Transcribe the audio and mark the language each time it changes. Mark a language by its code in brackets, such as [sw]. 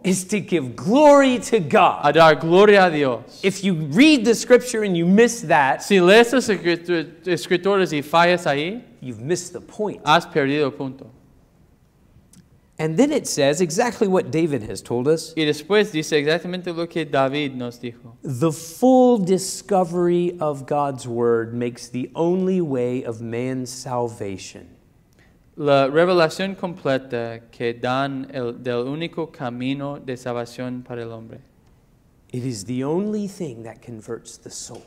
[en] Is to give glory to God. [es] A dar gloria a Dios. [en] If you read the scripture and you miss that. [es] Si lees las escrituras y fallas ahí. [en] You've missed the point. [es] Has perdido el punto. [en] And then it says exactly what David has told us. [es] Y después dice exactamente lo que David nos dijo. [en] The full discovery of God's word makes the only way of man's salvation. [es] La revelación completa que dan del único camino de salvación para el hombre. [en] It is the only thing that converts the soul.